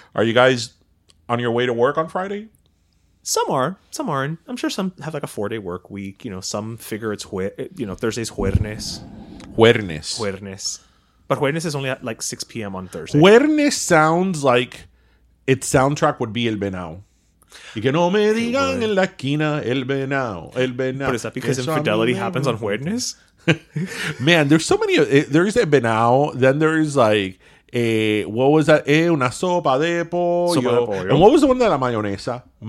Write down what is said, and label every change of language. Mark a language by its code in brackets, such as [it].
[en] Are you guys on your way to work on Friday? Some are. Some aren't. I'm sure some have like a four-day work week. You know, some figure it's, you know, Thursday's Juernes. Juernes. Juernes. But Juernes is only at like 6 p.m. on Thursday. Juernes sounds like its soundtrack would be El Benao. [es] Y que no me digan en la esquina El Benao, El Benao. [en] But is that because infidelity happens on Juernes? Man, there's so many. There's El Benao. Then there's like... what was that? Una sopa de pollo. And what was the one that la mayonesa?